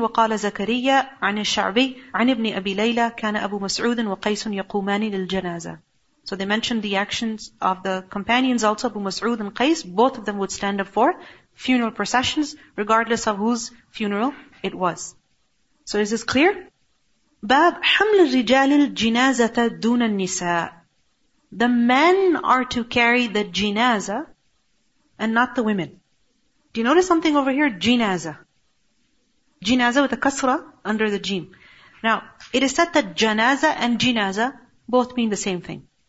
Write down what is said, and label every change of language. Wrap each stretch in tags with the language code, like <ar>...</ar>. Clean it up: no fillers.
<ar>وَقَالَ زَكَرِيَّا عَنِ الشَّعْبِيِّ عَنِ ابْنِ أَبِي لَيْلَى كَانَ أَبُو مَسْعُودٍ وَقَيْسٌ يَقُومَانِ لِلْجَنَازَةِ.</ar> <en>So they mentioned the actions of the companions also, Abu Mas'ud and Qais. Both of them would stand up for funeral processions, regardless of whose funeral it was. So is this clear?</en> <ar>باب حمل الرجال الجنازة دون النساء.</ar> <en>The men are to carry the جنازة and not the women. Do you notice something over here?</en> <ar>جنازة.</ar> <en>جنازة with a كسرة under the جيم. Now, it is said that جنازة and جنازة both mean the same thing.</en>